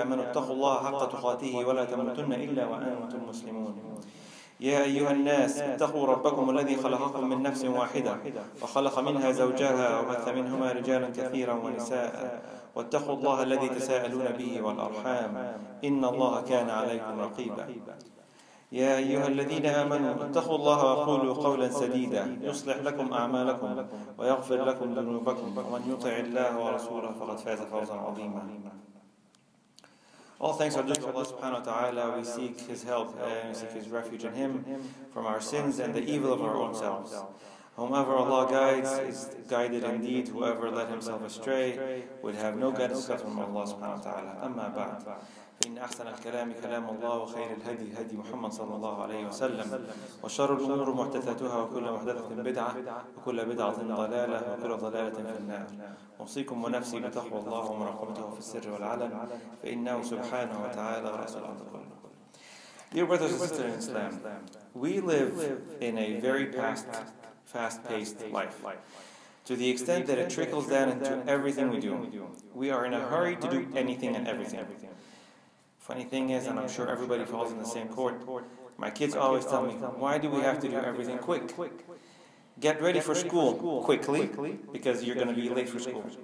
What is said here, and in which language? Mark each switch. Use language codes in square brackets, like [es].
[ar] اتقوا الله حق تقاته ولا تموتن إلا وأنتم مسلمون يا أيها الناس اتقوا ربكم الذي خلقكم من نفس واحدة وخلق منها زوجها وبث منهما رجالا كثيرا ونساء واتقوا الله الذي تساءلون به والأرحام إن الله كان عليكم رقيبا يا أيها الذين آمنوا اتقوا الله وقولوا قولا سديدا يصلح لكم أعمالكم ويغفر لكم ذنوبكم ومن يطع الله ورسوله فقد فاز فوزا عظيما [en] All thanks are due to Allah subhanahu wa ta'ala. We seek His help and we seek His refuge in Him from our sins and the evil of our own selves. Whomever Allah guides is guided indeed. Whoever led himself astray would have no guidance except from Allah subhanahu wa ta'ala. [ar] Amma ba'd. إن أحسن الكلام كلام الله وخير الهدي هدي محمد صلى الله عليه وسلم وشر الأمور محدثاتها وكل محدثة بدعة وكل بدعة ضلالة وكل ضلالة في النار أوصيكم ونفسي بتقوى الله ومراقبته في السر والعلن فإنه سبحانه وتعالى رأس الأمر كله [en] Dear brothers and sisters in Islam, we live in a very fast-paced life. To the extent that it trickles down into everything we do. We are in a hurry to do anything and everything. Funny thing is, and I'm sure everybody falls in the same court, my kids always tell me, why do we have to do everything quick? Get ready for school quickly, because you're going to be late for school.